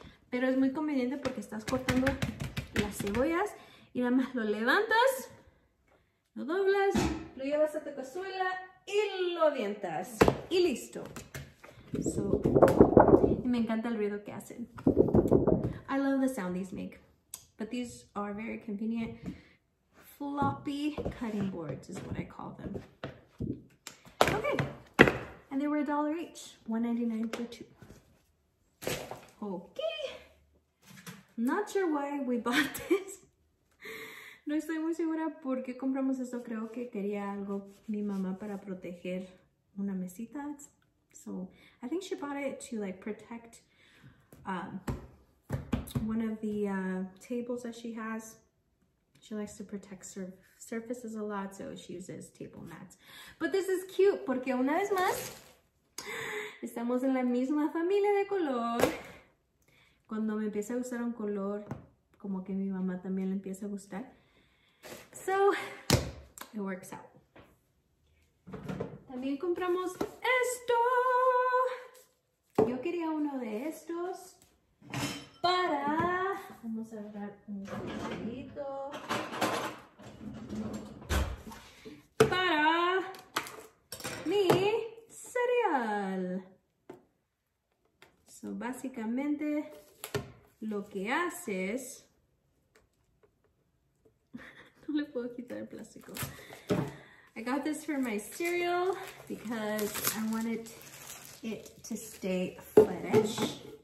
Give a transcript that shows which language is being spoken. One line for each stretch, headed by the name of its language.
Spanish: Pero es muy conveniente porque estás cortando las cebollas y nada más lo levantas, lo doblas, lo llevas a tu cazuela y lo avientas. Y listo. So, y me encanta el ruido que hacen.
English: I love the sound these make. But these are very convenient. Floppy cutting boards is what I call them. Okay. And they were a dollar each. $1.99 for two. Okay. Not sure why we bought this.
Spanish: No estoy muy segura por qué compramos esto. Creo que quería algo mi mamá para proteger una mesita.
English: So, I think she bought it to like protect one of the tables that she has. She likes to protect surfaces a lot, so she uses table mats. But this is cute
Spanish: porque una vez más, estamos en la misma familia de color. Cuando me empieza a gustar un color, como que mi mamá también le empieza a gustar.
English: So, it works out.
Spanish: También compramos esto. Yo quería uno de estos para... Vamos a agarrar un poquito. Para mi cereal. So, básicamente... Lo que haces, no le puedo quitar el plástico.
English: I got this for my cereal because I wanted it to stay fresh.